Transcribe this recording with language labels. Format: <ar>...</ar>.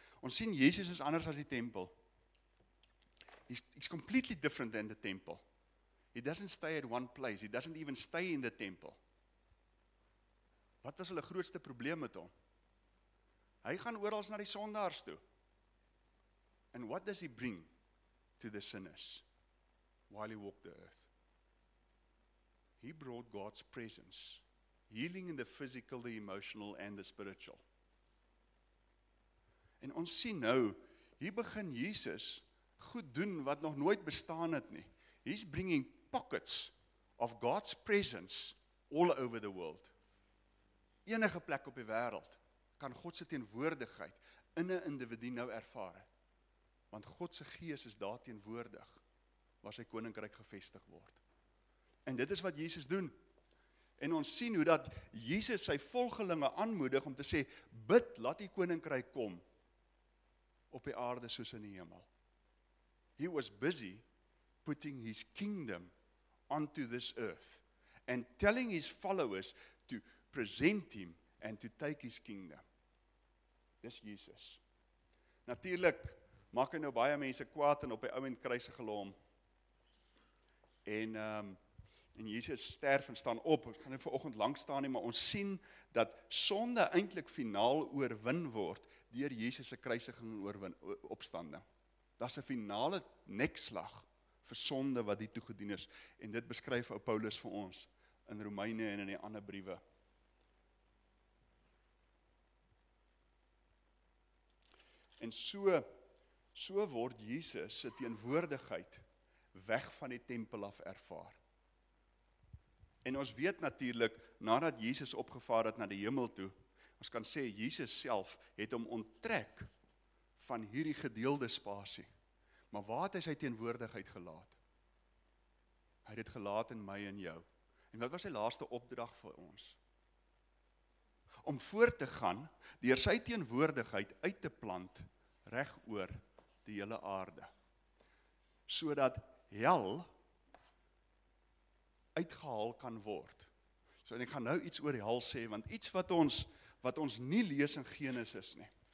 <af>Ons sien Jesus is anders as die tempel.</af> <en>He's completely different than the temple. He doesn't stay at one place. He doesn't even stay in the temple.</en> <af>Wat was hulle grootste probleem met hom? Hy gaan oral na die sondaars toe.</af> <en>And what does he bring to the sinners while he walked the earth? He brought God's presence, healing in the physical, the emotional and the spiritual.</en> <af>En ons sien nou, hier begin Jesus goed doen wat nog nooit bestaan het nie.</af> <en>He's bringing pockets of God's presence all over the world.</en> <af>Enige plek op die wêreld kan God se teenwoordigheid in 'n individu nou ervaar het. Want God se gees is daar teenwoordig waar sy koninkryk gevestig word. En dit is wat Jesus doen. En ons sien hoe dat Jesus sy volgelinge aanmoedig om te sê, bid, laat die koninkryk kom op die aarde soos in die hemel.</af> <en>He was busy putting his kingdom onto this earth and telling his followers to present him and to take his kingdom.</en> <af>Dis Jesus. Natuurlik maak hy nou baie mense kwaad en op die ou end kruisig hulle hom. En Jesus sterf en staan op. Ons gaan nou vanoggend lank staan nie, maar ons sien dat sonde eintlik finaal oorwin word deur Jesus se kruisiging en opstanding. Daar's 'n finale nekslag vir sonde wat die toegedien is en dit beskryf ou Paulus vir ons in Romeine en in die ander briewe. En so word Jesus se teenwoordigheid weg van die tempel af ervaar. En ons weet natuurlik, nadat Jesus opgevaar het na die hemel toe, ons kan sê, Jesus self het hom onttrek van hierdie gedeelde spasie. Maar waar het hy sy teenwoordigheid gelaat? Hy het dit gelaat in my en jou. En wat was sy laaste opdrag vir ons? Om voort te gaan, deur sy teenwoordigheid uit te plant, reg oor die hele aarde. Sodat hel uitgehaal kan word. So en ek gaan nou iets oor die hel sê, want iets wat ons nie lees in Genesis nie.</af>